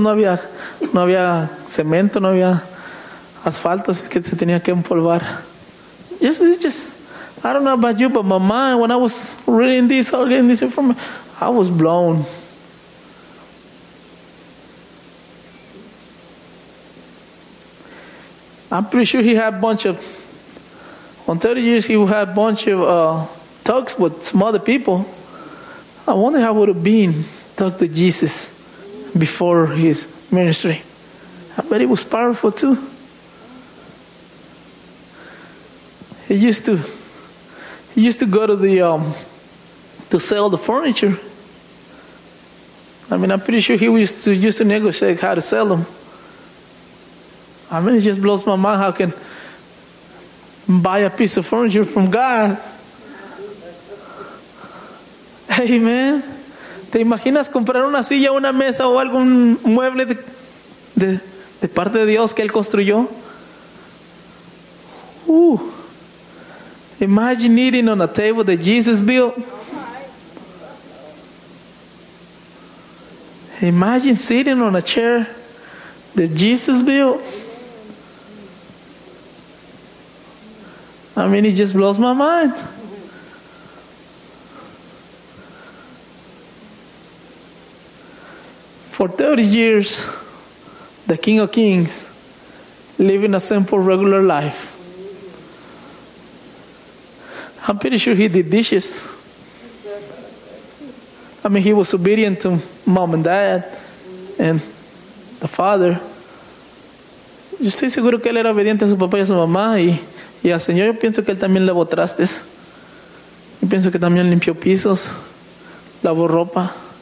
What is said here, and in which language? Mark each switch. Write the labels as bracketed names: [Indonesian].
[Spanish] No había cemento, no había asfalto, así que se tenía que empolvar. [English] It's just, I don't know about you, but my mind, when I was reading this, or getting this information, I was blown. I'm pretty sure he had a bunch of, on 30 years, he had a bunch of talks with some other people. I wonder how it would have been talk to Jesus before his ministry. I bet it was powerful too. He used to go to the to sell the furniture. I mean, I'm pretty sure he used to negotiate how to sell them. I mean, it just blows my mind how I can buy a piece of furniture from God. Hey, amen. [Spanish] ¿Te imaginas comprar una silla, una mesa o algún mueble de parte de Dios que él construyó? [English] Imagine eating on a table that Jesus built. Imagine sitting on a chair that Jesus built. I mean, it just blows my mind. For 30 years, the King of Kings living a simple, regular life. I'm pretty sure he did dishes. I mean, he was obedient to mom and dad and the father. [Spanish] Yo estoy seguro que él era obediente a su papá y a su mamá y al Señor. Yo pienso que él también lavó trastes. Yo pienso que también limpió pisos, lavó ropa.